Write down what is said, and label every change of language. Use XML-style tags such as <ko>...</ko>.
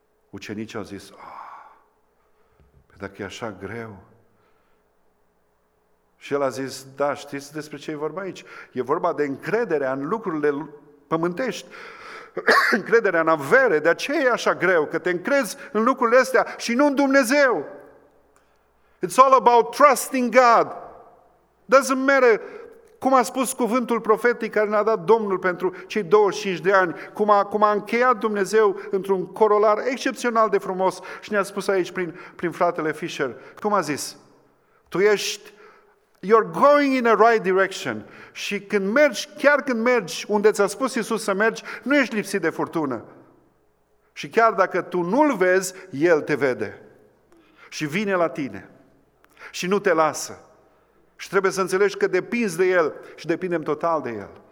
<ro>Ucenicii au zis, dacă e așa greu. Și el a zis, da, știți despre ce e vorba aici? E vorba de încrederea în lucrurile pământești, încrederea în avere, de aceea e așa greu, că te încrezi în lucrurile astea și nu în Dumnezeu.</ro> <en>It's all about trusting God. Doesn't matter,</en> <ro>cum a spus cuvântul profetic care ne-a dat Domnul pentru cei 25 de ani, cum a încheiat Dumnezeu într-un corolar excepțional de frumos și ne-a spus aici prin fratele Fisher. Cum a zis? Tu ești,</ro> <en>you're going in a right direction.</en> <ro>Și când mergi, chiar când mergi unde ți-a spus Iisus să mergi, nu ești lipsit de furtună. Și chiar dacă tu nu-L vezi, El te vede. Și vine la tine. Și nu te lasă. Și trebuie să înțelegi că depinzi de El și depindem total de El.</ro>